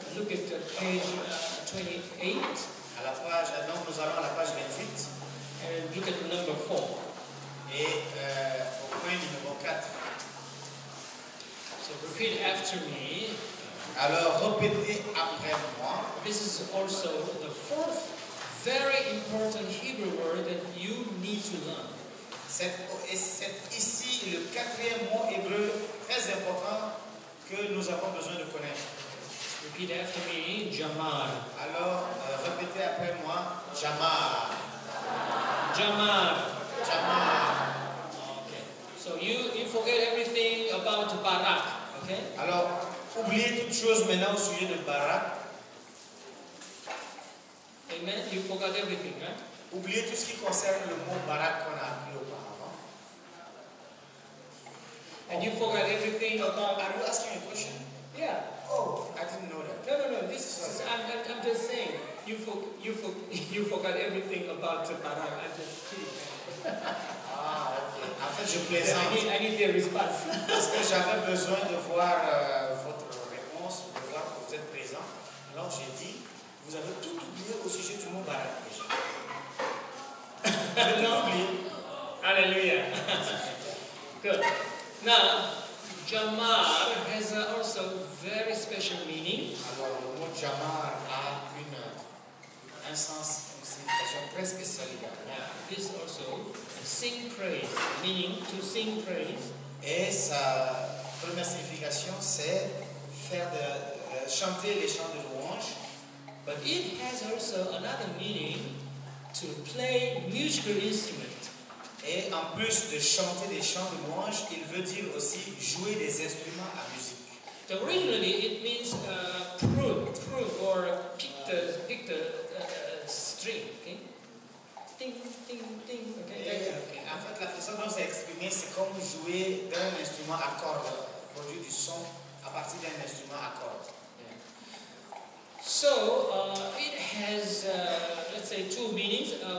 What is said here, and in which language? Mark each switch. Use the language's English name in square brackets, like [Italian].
[English] Look at the page 28. [French] À la page, donc nous allons à la page 28. [English] And look at the number 4. [French] Et au point numéro 4. [English] So repeat after me. [French] Alors répétez après moi. [English] This is also the fourth very important Hebrew word that you need to learn. [French] C'est ici le quatrième mot hébreu très important que nous avons besoin de connaître. [English] Repeat after me, Jamar. [French] Alors répétez après moi, Jamar. [Hebrew] Jamar. Jamar. [English] Okay. So you forget everything about Barak, okay? [French] Alors, oubliez toute chose maintenant au sujet de Barak. Amen. [English] You forgot everything, right? [French] Oubliez tout ce qui concerne le mot Barak qu'on a appris auparavant. [English] And you forgot everything about. Are you asking a question? Yeah. Oh, I didn't know that. No. This is I'm just saying. You forgot everything about Barak. I'm just kidding. [French] Ah, ok. En fait, je plaisante. [English] I need your response. [French] Parce que j'avais besoin de voir votre réponse, de voir que vous êtes présent. Alors j'ai dit, vous avez tout oublié au sujet du mot Barak. Vous avez tout oublié. [English] Alléluia. Good. Now, Jamar has also very special meaning. [French] Alors, le mot Jamar a un sens, une signification très spéciale. [English] This also, sing praise, meaning to sing praise. [French] Et sa première signification, c'est faire de chanter les chants de louange. [English] But it has also another meaning, to play musical instrument. [French] Et en plus de chanter des chants de louange, il veut dire aussi jouer des instruments à musique. [English] So originally, it means prune or pick the string. Okay. Ting. Okay. Yeah. [French] Okay. En fait, la façon dont c'est exprimé, c'est comme jouer d'un instrument à cordes, produire du son à partir d'un instrument à cordes. [English] So it has, let's say, two meanings.